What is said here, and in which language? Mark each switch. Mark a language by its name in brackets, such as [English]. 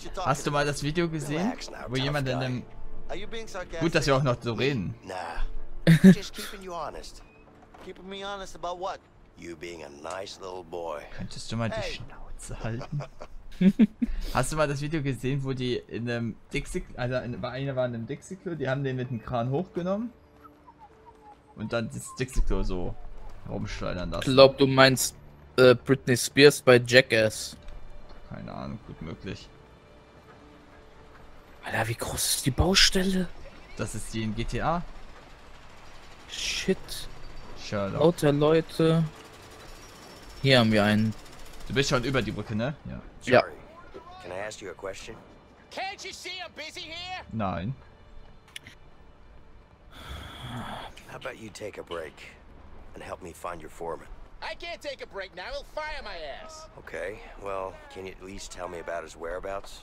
[German] Hast du mal das Video gesehen, wo jemand in dem... Gut, dass wir auch noch so reden. [English] Nah. Just keeping you honest. Keeping me honest about what? You being a nice little boy. [German] Könntest du mal die Schnauze halten? Hast du mal das Video gesehen, wo die in einem Dixie, also eine war in einem Dixie-Klo, die haben den mit dem Kran hochgenommen und dann das Dixie-Klo so rumschleudern lassen? Ich glaub, du meinst Britney Spears bei Jackass. Keine Ahnung, gut möglich. Alter, wie groß ist die Baustelle? Das ist die in GTA. Shit. Sherlock. Lauter Leute. Hier haben wir einen. Du bist schon über die Brücke, ne? Ja. Ja. [English] Can I ask you a question? Can't you see I'm busy here? [German] Nein. [English] How about you take a break and help me find your foreman? I can't take a break now. He'll fire my ass. Okay. Well, can you at least tell me about his whereabouts?